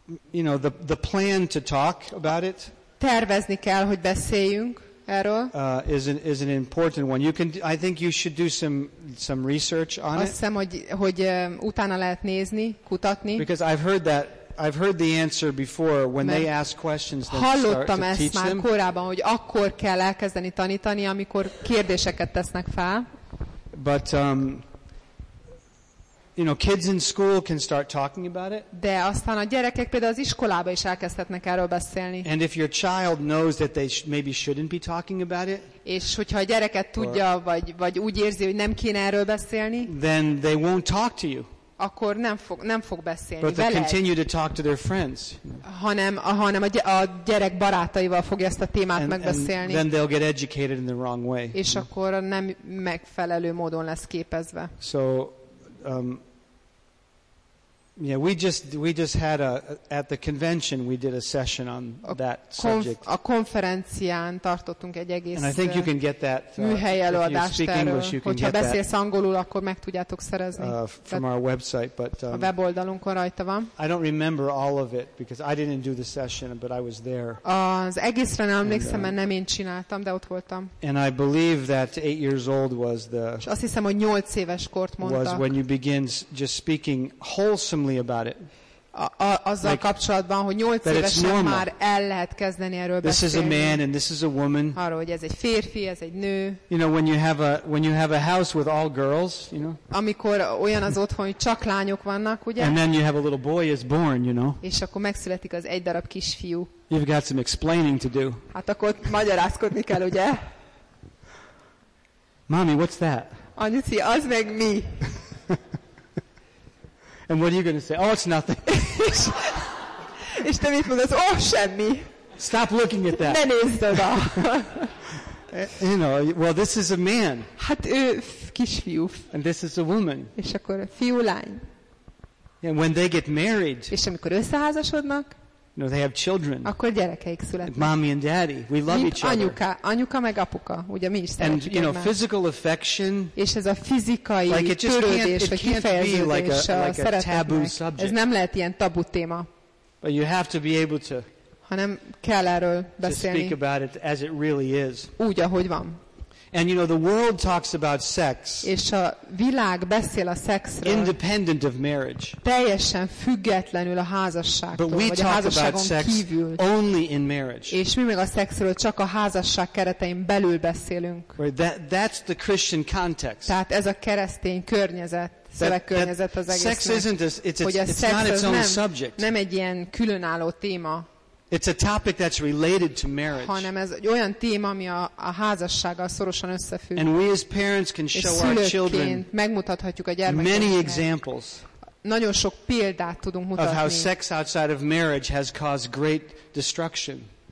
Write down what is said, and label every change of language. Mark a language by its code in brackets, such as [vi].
[en] you know, the plan to talk about it. [hu] Tervezni kell, hogy beszéljünk erről. [en] Is an important one. I think you should do some research on it. [hu] Azt hiszem, hogy utána lehet nézni, kutatni. [en] Because I've heard the answer before when they ask questions that start to teach them. [hu] Hallottam ezt már korábban, hogy akkor kell elkezdeni tanítani, amikor kérdéseket tesznek fel. [en] But you know, kids in school can start talking about it. [hu] De aztán a gyerekek például az iskolába is elkezdhetnek erről beszélni. [en] And if your child knows that they maybe shouldn't be talking about it. [hu] És hogyha a gyereket tudja, vagy úgy érzi, hogy nem kéne erről beszélni. [en] Then they won't talk to you. [hu] Akkor nem fog beszélni veled. [en] But they continue to talk to their friends. [hu] Hanem a gyerek barátaival fogja ezt a témát megbeszélni. [en] And then they'll get educated in the wrong way. [hu] És akkor nem megfelelő módon lesz képezve. [en] So Yeah, we just had at the convention we did a session on that subject. [hu] A konferencián tartottunk egy egész. [en] And I think you can get that. [hu] Műhely előadást erről. Hogyha beszélsz angolul, akkor meg tudjátok szerezni. [en] From our website, but [hu] a weboldalunkon rajta van. [en] I don't remember all of it because I didn't do the session, but I was there. [hu] Az egészre nem emlékszem, mert nem én csináltam, de ott voltam. [en] And I believe that 8 years old was the. [hu] És azt hiszem, hogy 8 éves kort mondtak. [en] Was when you begin just speaking wholesome. About it. [hu] Azzal [en] like, [hu] kapcsolatban, hogy 8 évesen már el lehet kezdeni erről [en] this [hu] beszélni. [en] This is a man and this is a woman. [hu] Arról, hogy ez egy férfi, ez egy nő. [en] You know, when you have a house with all girls, you know. [hu] Amikor olyan az otthon, hogy csak lányok vannak, ugye? [en] And then you have a little boy is born, you know. [hu] És akkor megszületik az egy darab kisfiú. [en] You've got some explaining to do. [hu] Hát akkor magyarázkodni kell, ugye? [en] Mommy, what's that? [hu] Anyuci, az meg mi? [en] And what are you going to say? Oh, it's nothing. [hu] És te mit mondasz? Oh, semmi. [en] Stop looking at that. [hu] Ne nézd oda. [en] You know, well, this is a man. [hu] Hát ő kisfiú. [en] And this is a woman. [hu] És akkor fiú-lány. [en] And when they get married. [hu] És amikor összeházasodnak. [en] You know, they have children. [hu] Akkor gyerekeik születnek. [en] Mommy and daddy, we love [hu] mint [en] each other. [hu] Anyuka meg apuka, ugye mi is szeretjük egymást. [en] And you know, physical affection. [hu] És ez a fizikai törődés, vagy kifejeződés a szeretetnek. Ez nem lehet ilyen tabu téma. [en] But you have to be able to. [hu] Hanem kell erről beszélni. [en] To speak about it as it really is. [hu] Úgy, ahogy van. [en] And you know, the world talks about sex. [hu] És a világ beszél a szexről. [en] Independent of marriage. [hu] Teljesen függetlenül a házasságtól. [en] But we [hu] vagy [en] talk [hu] a házasságon kívül. [en] Only in marriage. [hu] És mi meg a szexről csak a házasság keretein belül beszélünk. [en] Right, that's the Christian context. [hu] Tehát ez a keresztény környezet. Szövegkörnyezet az egésznek. [en] Sex isn't its own subject. [hu] Nem egy ilyen különálló téma. [en] It's a topic that's related to marriage. [hu] Hanem ez egy olyan téma, ami a házassággal szorosan összefügg. [en] And we as parents can show our children [hu] megmutathatjuk a gyermekeknek. [en] Many examples. [hu] Nagyon sok példát tudunk mutatni. [en] Of how sex outside of marriage has caused great destruction.